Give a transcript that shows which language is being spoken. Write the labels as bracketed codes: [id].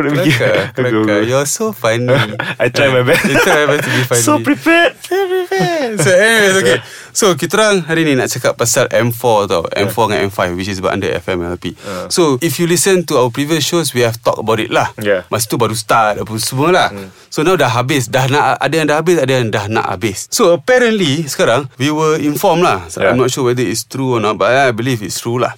[en] Kelakar. You're so funny. I try my best. You try my best to be funny. So prepared. So anyways, okay. [ms] So kita orang hari ni nak cakap pasal M4 tau. [en] M4 dengan M5, which is under FMLP. So if you listen to our previous shows, we have talked about it lah. [ms] Masa tu baru start apa semua lah. So now dah habis, ada yang dah habis, ada yang dah nak habis. [en] So apparently [ms] sekarang [en] we were informed lah. I'm not sure whether it's true or not, but I believe it's true lah.